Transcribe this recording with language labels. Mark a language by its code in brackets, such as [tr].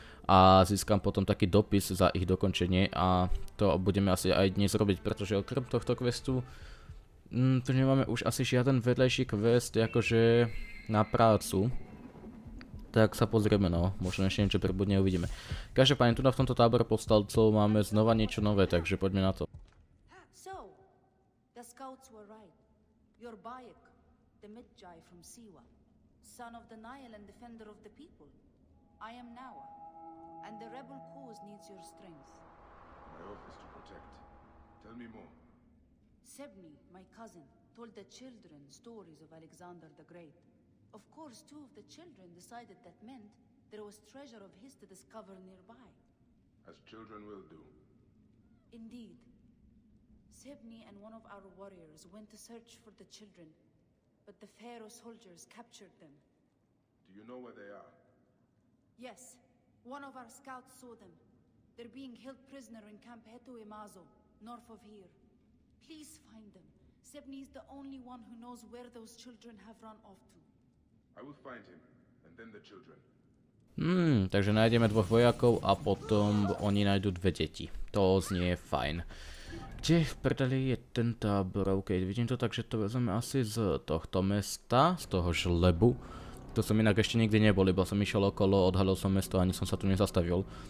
[sk] A získam potom taký dopis za ich dokončenie a to budeme asi aj dnes robiť, pretože okrem tohto questu tu nemáme už asi žiaden vedlejší quest akože na prácu. Tak sa pozrieme, no, možno ešte niečo prebudne, uvidíme. Každopádne, tu na v tomto tábore postalcov máme znova niečo nové, takže poďme na to. [en] So, the scouts were right. Your Bayek, the Medjay from Siwa, son of the Nile and defender of the people. I am Nawa. And the rebel cause needs your strength. My oath is to protect. Tell me more. Sebni, my cousin, told the children stories of Alexander the Great. Of course, two of the children decided that meant there was treasure of his to discover nearby. As children will do. Indeed. Sebni and one of our warriors went to search for the children, but the Pharaoh soldiers captured them. Do you know where they are? Yes. One of our scouts saw them. They're being held prisoner in Camp Hetu Imazo, north of here. Please find them. Sebni is the only one who knows where those children have run off to. I will find him, and then the children. [sk] Takže nájdeme dvoch vojakov a potom oni nájdu dve deti. To znie fajn. Kde v predali je ten tábor? OK, vidím to tak, že to vezmeme asi z tohto mesta, z toho žlebu. To som inak ešte nikdy nebol, iba som išiel okolo, odhalil som mesto, ani som sa tu nezastavil.